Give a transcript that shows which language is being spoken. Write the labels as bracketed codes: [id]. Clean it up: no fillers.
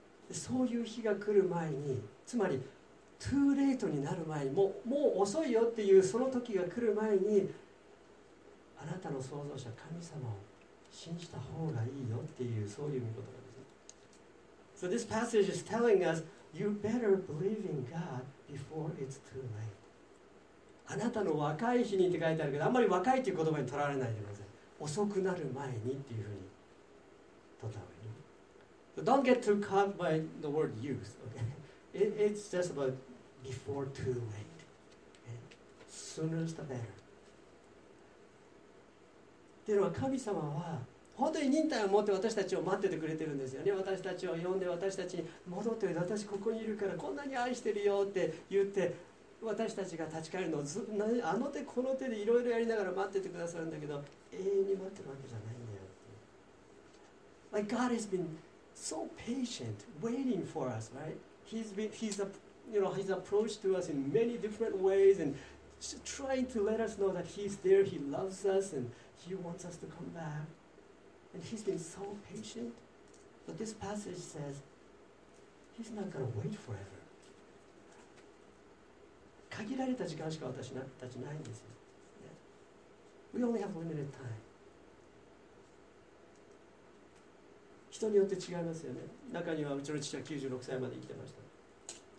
[ja] そういう日が来る前に、つまり [en] too late [ja] になる前に、もう遅いよっていうその時が来る前に、あなたの創造者神様を信じた方がいいよっていう、そういう言葉ですね。 [en] So this passage is telling usYou better believe in God before it's too late. [ja] あなたの若い日にって書いてあるけど、あんまり若いという言葉にとらわれないでください。遅くなる前にっていうふうにとった方がいい。 [en] So、don't get too caught by the word youth.、Okay? It's just about before too late.、Okay? Sooner's the better. [ja] っていうのは神様は本当に忍耐を持って私たちを待っててくれてるんですよね。私たちを呼んで私たちに戻って、私ここにいるからこんなに愛してるよって言って、私たちが立ち返るのをずあの手この手でいろいろやりながら待っててくださるんだけど、永遠に待ってるわけじゃないんだよ。 [en] Like God has been so patient waiting for us, right? He's approached to us in many different ways and trying to let us know that he's there, he loves us and he wants us to come backAnd he's been so patient. But this passage says, he's not going to wait forever. [ja] 限られた時間しか私たちないんですよ。 [en] We only have limited time. [ja] 人によって違いますよね。中にはうちの父は96歳まで生きてました。